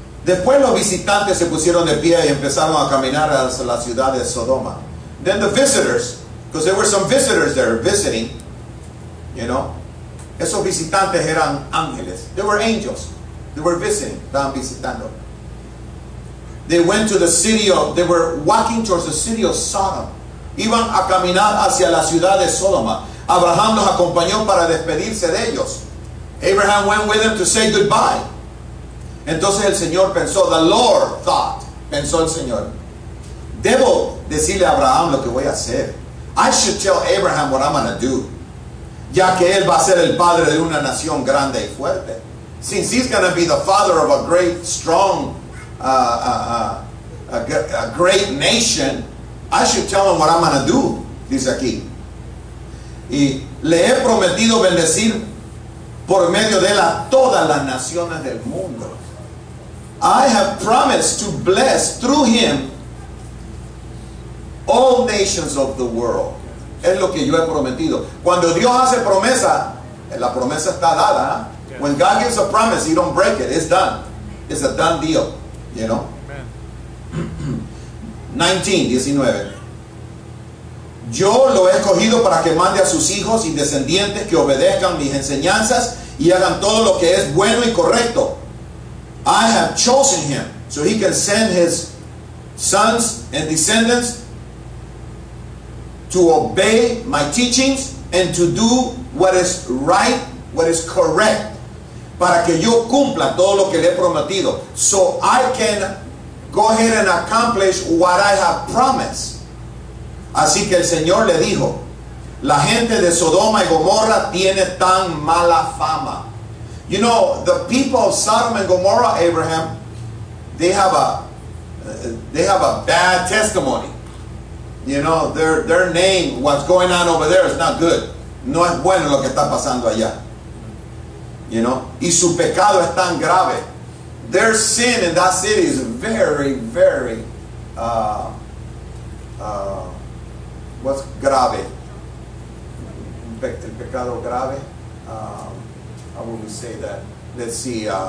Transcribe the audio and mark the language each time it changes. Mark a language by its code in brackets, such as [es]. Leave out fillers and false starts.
[es] Después los visitantes se pusieron de pie y empezaron a caminar hacia la ciudad de Sodoma. [en] Then the visitors, because there were some visitors there visiting, you know. [es] Esos visitantes eran ángeles. [en] They were angels. They were visiting. [es] Estaban visitando. [en] They went to the city of, they were walking towards the city of Sodom. [es] Iban a caminar hacia la ciudad de Sodoma. Abraham los acompañó para despedirse de ellos. [en] Abraham went with them to say goodbye. [es] Entonces el Señor pensó, [en] the Lord thought, [es] pensó el Señor, debo decirle a Abraham lo que voy a hacer. [en] I should tell Abraham what I'm going to do. [es] Ya que él va a ser el padre de una nación grande y fuerte. [en] Since he's going to be the father of a great, strong, a great nation, I should tell him what I'm going to do, [es] dice aquí. Y le he prometido bendecir por medio de él a todas las naciones del mundo. [en] I have promised to bless through him all nations of the world. [es] Es lo que yo he prometido. Cuando Dios hace promesa, la promesa está dada. [en] ¿Eh? Yes. When God gives a promise, you don't break it. It's done. It's a done deal. You know? Amen. 19. [es] Yo lo he escogido para que mande a sus hijos y descendientes que obedezcan mis enseñanzas y hagan todo lo que es bueno y correcto. [en] I have chosen him so he can send his sons and descendants to obey my teachings and to do what is right, what is correct, [es] para que yo cumpla todo lo que le he prometido. [en] So I can go ahead and accomplish what I have promised. [es] Así que el Señor le dijo, la gente de Sodoma y Gomorra tiene tan mala fama. [en] You know, the people of Sodom and Gomorrah, Abraham, they have a bad testimony. You know, their name, what's going on over there is not good. [es] No es bueno lo que está pasando allá. [en] You know, [es] y su pecado es tan grave. [en] Their sin in that city is very, very, what's grave? [es] El pecado grave. [en] How would we say that? Let's see.